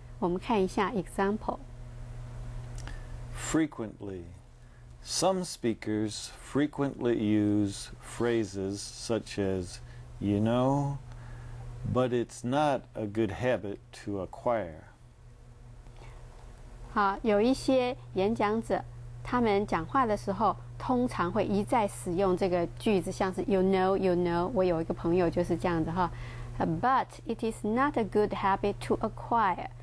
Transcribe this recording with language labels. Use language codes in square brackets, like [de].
[zh] 我们看一下 example。 [en] Frequently， some speakers frequently use phrases such as you knowBut it's not a good habit to acquire. [zh] 好，有一些演讲者，他们讲话的时候，通常会一再使用这个句子，像是 [en] you know, [zh] 我有一个朋友就是这样子哈。 [en] But it is not a good habit to acquire.